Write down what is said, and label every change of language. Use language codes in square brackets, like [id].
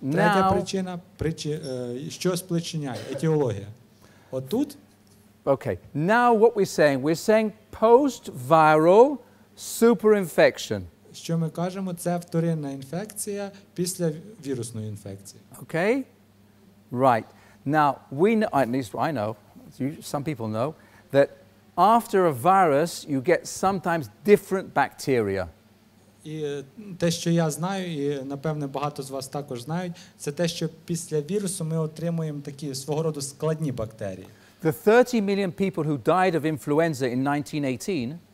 [uk] Третя причина, що спричиняє, етіологія. Отут. [en] Okay. Now what we're saying post-viral superinfection. [uk] Що ми кажемо, це вторинна інфекція після вірусної інфекції. [en] Okay? Right. Now, we know, at least I know, some people know, that after a virus, you get sometimes different bacteria. [uk] І те, що я знаю, і, напевне, багато з вас також знають, це те, що після вірусу ми отримуємо такі, свого роду, складні бактерії. [en] The 30 million people who died of influenza in 1918...